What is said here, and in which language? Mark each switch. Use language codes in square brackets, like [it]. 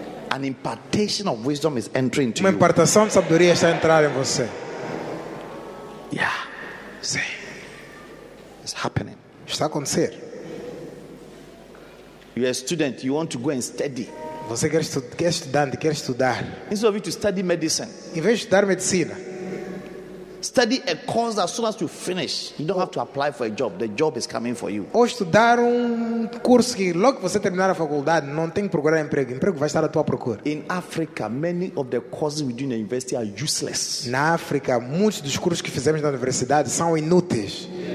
[en] An impartation of wisdom is entering into you. [pt] Uma impartação de sabedoria está entrando em você. [en] Yeah. See. It's happening. [pt] Está acontecendo. [en] You are a student, you want to go and study. [pt] Você quer estudar. [en] Instead of you to study medicine. [pt] Em vez de estudar medicina. [en] Study a course as soon as you finish. You don't have to apply for a job. The job is coming for you. [pt] Ou estudar curso que logo que você terminar a faculdade, não tem que procurar emprego. Emprego vai estar à tua procura. [en] In Africa, many of the courses we do in the university are useless. [pt] Na África, muitos dos cursos que fizemos na universidade são inúteis.